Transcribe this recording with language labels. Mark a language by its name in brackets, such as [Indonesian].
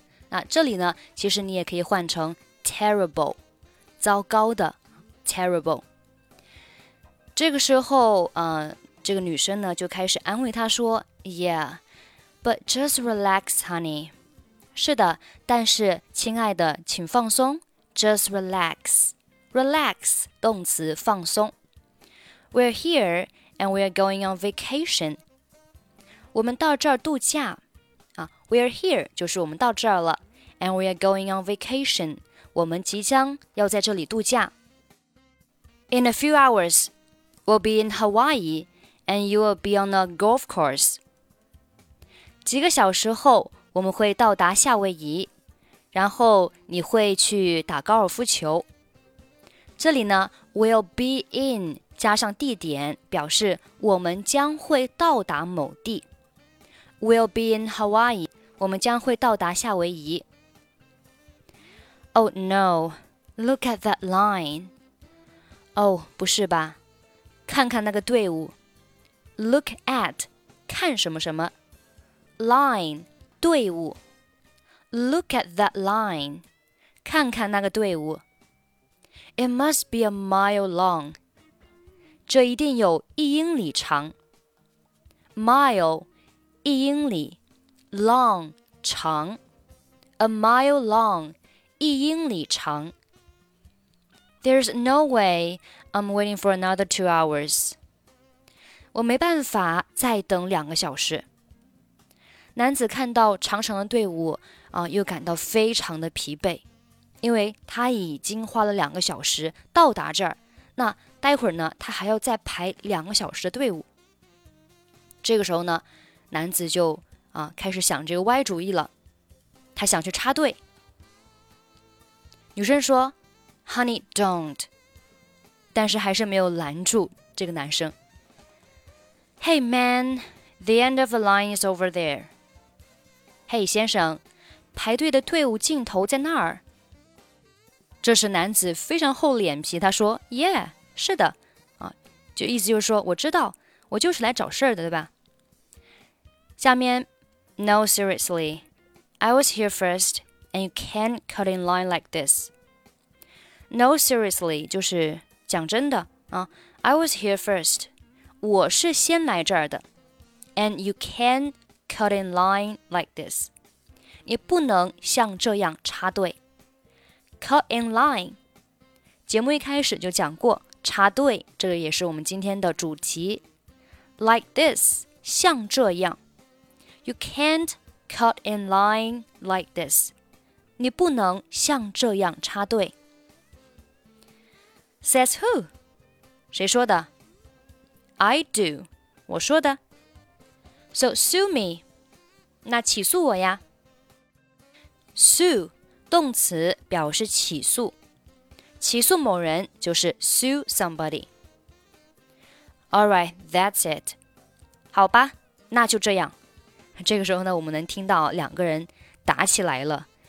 [Chinese] 那这里呢，其实你也可以换成 terrible， 糟糕的 ，terrible。这个时候，这个女生呢就开始安慰她说 ， [English] Yeah， but just relax, honey。 [Chinese] 是的，但是亲爱的，请放松 ， [English] just relax。 [Chinese] Relax, 动词放松。 [English] We're here and we're going on vacation. [Chinese] 我们到这儿度假。 [English] We're here [Chinese] 就是我们到这儿了。 [English] And we're going on vacation. [Chinese] 我们即将要在这里度假。 [English] In a few hours, we'll be in Hawaii and you will be on a golf course. [Chinese] 几个小时后我们会到达夏威夷。然后你会去打高尔夫球。这里呢 , [English] will be in, [Chinese] 加上地点表示我们将会到达某地。 [English] Will be in Hawaii, [Chinese] 我们将会到达夏威夷。 [English] Oh no, look at that line. [Chinese] Oh, 不是吧，看看那个队伍。 [English] Look at, [Chinese] 看什么什么。 Line, 队伍。 [English] Look at that line, [Chinese] 看看那个队伍。 [English] It must be a mile long. [Chinese] 这一定有一英里长。 Mile, 一英里。Long, 长。 [English] A mile long, [Chinese] 一英里长。 [English] There's no way I'm waiting for another 2 hours. [Chinese] 我没办法再等两个小时。男子看到长长的队伍，又感到非常的疲惫。因为他已经花了两个小时到达这儿，那待会儿呢，他还要再排两个小时的队伍。这个时候呢，男子就开始想这个歪主意了，他想去插队。女生说 ： [English] “Honey, don't。” [Chinese] 但是还是没有拦住这个男生。 [English] Hey man, the end of the line is over there. [Chinese] Hey 先生，排队的队伍尽头在那儿。这时男子非常厚脸皮，他说 ：“Yeah, 是的，就意思就是说我知道，我就是来找事儿的，对吧？” 下面 [English] ，No seriously, I was here first, and you can't cut in line like this. No seriously, [Chinese] 就是讲真的啊。 [English] I was here first, [Chinese] 我是先来这儿的 [English] ，and you can't cut in line like this. [Chinese] 你不能像这样插队。 [English] Cut in line， [Chinese] 节目一开始就讲过，插队这个也是我们今天的主题。 [English] Like this， [Chinese] 像这样。 [English] You can't cut in line like this， [Chinese] 你不能像这样插队。 [English] Says who？ [Chinese] 谁说的 ？ [English] I do， [Chinese] 我说的。 [English] So sue me， [Chinese] 那起诉我呀。 [English] Sue。 [Chinese] 动词表示起诉，起诉某人就是 [English] sue somebody. Alright, that's it. [Chinese] 好吧，那就这样。这个时候呢，我们能听到两个人打起来了。